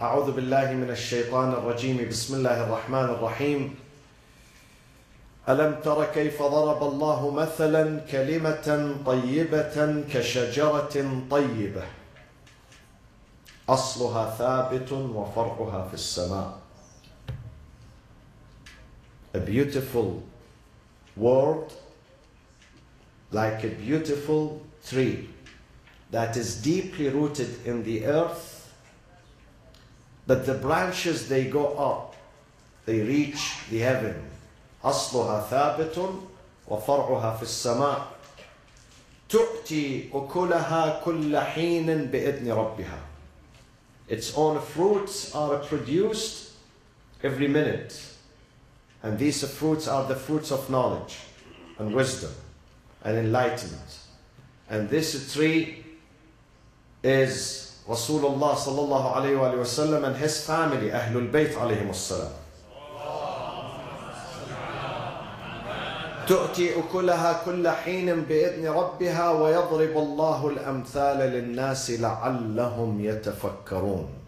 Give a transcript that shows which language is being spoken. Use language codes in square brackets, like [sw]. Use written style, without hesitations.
[ar] أعوذ بالله من الشيطان الرجيم. بسم الله الرحمن الحكيم. ألم تر كيف ضرب الله مثلا كلمة طيبة كشجرة طيبة أصلها ثابت وفرعها في السماء. [en] A beautiful word like a beautiful tree that is deeply rooted in the earth, but the branches, they go up, they reach the heaven. [ar] أصلها ثابت وفرعها في السماء تؤتي أكلها كل حين بإذن ربها. [en] Its own fruits are produced every minute, and these fruits are the fruits of knowledge and wisdom and enlightenment. And this tree is Rasulullah sallallahu alayhi wa sallam and his family, Ahlul Bayt alayhim as-salam. [ar] تؤتي أكلها كل حين بإذن ربها ويضرب الله الأمثال للناس لعلهم يتفكرون.